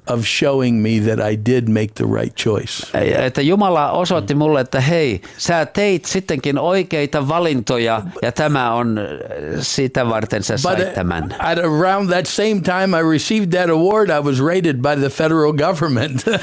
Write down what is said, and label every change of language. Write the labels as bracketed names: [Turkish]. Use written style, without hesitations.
[English] Of showing me that I did make the right choice. [Finnish] Että Jumala osoitti mulle, että hei, sä teit sittenkin oikeita valintoja ja tämä on sitä varten sä sait tämän. [English] At around that same time I received that award, I was raided by the federal government.